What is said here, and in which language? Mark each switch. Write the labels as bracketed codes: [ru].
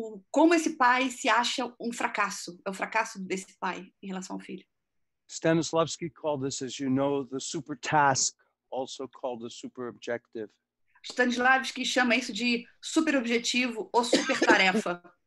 [pt] como esse pai se acha fracasso, é o fracasso desse pai em relação ao filho. [en] Stanislavski called this, as you know, the super task, also called the super objective. [pt] Stanislavski chama isso de super objetivo ou super tarefa.